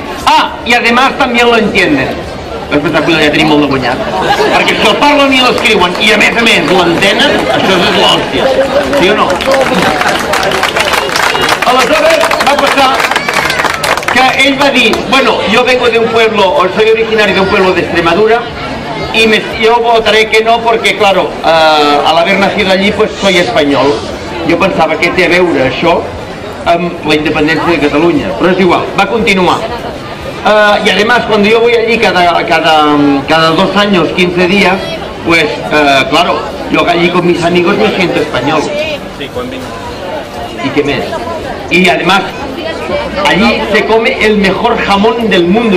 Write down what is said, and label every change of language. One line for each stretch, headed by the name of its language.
Catalan: Ah, i además també
Spanish: lo entienden.
Catalan: Vaig pensar, cuida, ja tenim molt de guanyat. Perquè si el parlen i l'escriuen, i a més l'entenen, això és l'hòstia. Sí o no? Aleshores va passar que ell va dir,
Spanish: bueno, yo vengo de un pueblo, o soy originario de un pueblo de Extremadura, y yo votaré que no porque, claro, al haber nacido allí, pues soy español.
Catalan: Jo pensava, què té a veure això amb la independència de Catalunya? Però és igual, va continuar.
Spanish: Y además, cuando yo voy allí cada dos años, 15 días, pues claro, yo allí con mis amigos me siento español. Sí, con mi. ¿Y qué más? Y además, allí se come el mejor jamón del mundo.